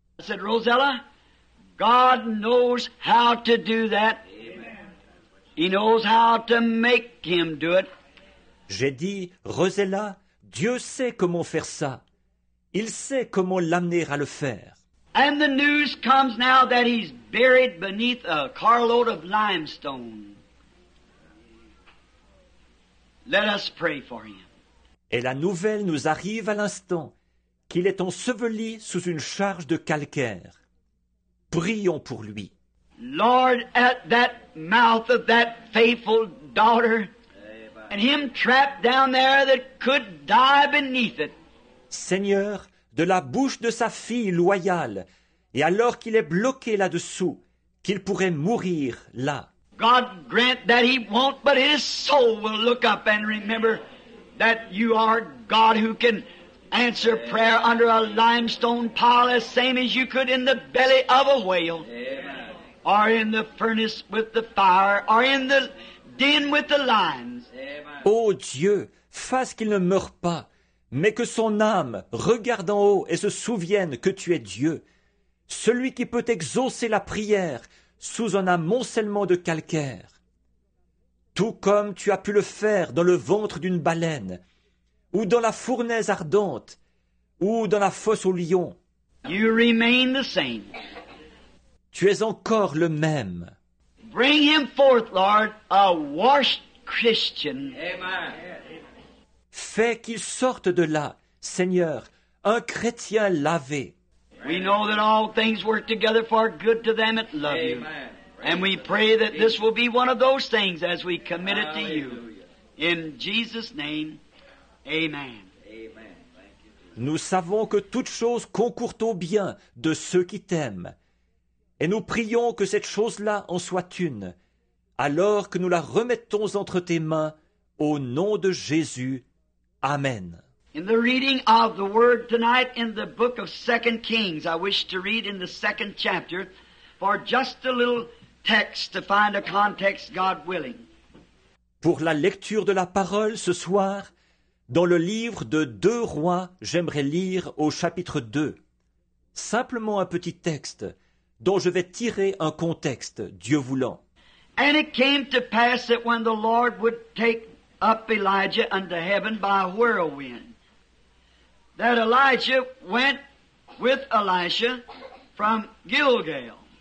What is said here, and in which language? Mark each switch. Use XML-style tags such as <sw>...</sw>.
<en>I said, "Rosella, God knows how to do that. He knows how to make him do it."</en> <fr>J'ai dit, « Rosella, Dieu sait comment faire ça. Il sait comment l'amener à le faire. »</fr> <en>And the news comes now that he's buried beneath a carload of limestone. Let us pray for him.</en> <fr>Et la nouvelle nous arrive à l'instant qu'il est enseveli sous une charge de calcaire. Prions pour lui.</fr> <en>Lord, at that mouth of that faithful daughter, and him trapped down there that could die beneath it.</en> <fr>Seigneur, de la bouche de sa fille loyale, et alors qu'il est bloqué là-dessous, qu'il pourrait mourir là.</fr> <en>God grant that he won't, but his soul will look up and remember that you are God who can answer prayer under a limestone pile as same as you could in the belly of a whale. Amen. Or in the furnace with the fire, or in the den with the lions.</en> <fr>Ô Dieu, fasse qu'il ne meure pas, mais que son âme regarde en haut et se souvienne que tu es Dieu. Celui qui peut exaucer la prière, sous un amoncellement de calcaire, tout comme tu as pu le faire dans le ventre d'une baleine, ou dans la fournaise ardente, ou dans la fosse au lion.</fr> <en>You remain the same.</en> <fr>Tu es encore le même.</fr> <en>Bring him forth, Lord, a washed Christian. Amen.</en> <fr>Fais qu'il sorte de là, Seigneur, un chrétien lavé.</fr> <en>We know that all things work together for good to them that love you. Amen. And we pray that this will be one of those things as we commit it to you. In Jesus' name, amen. Amen.</en> <fr>Nous savons que toutes choses concourent au bien de ceux qui t'aiment. Et nous prions que cette chose-là en soit une, alors que nous la remettons entre tes mains, au nom de Jésus.</fr> <en>Amen. In the reading of the word tonight in the book of 2 Kings, I wish to read in the second chapter for just a little text to find a context, God willing.</en> <fr>Pour la lecture de la parole ce soir, dans le livre de 2 Rois, j'aimerais lire au chapitre 2. Simplement un petit texte dont je vais tirer un contexte, Dieu voulant.</fr> <en>And it came to pass that when the Lord would take up Elijah unto heaven by a whirlwind, that Elijah went with Elisha from Gilgal.</en>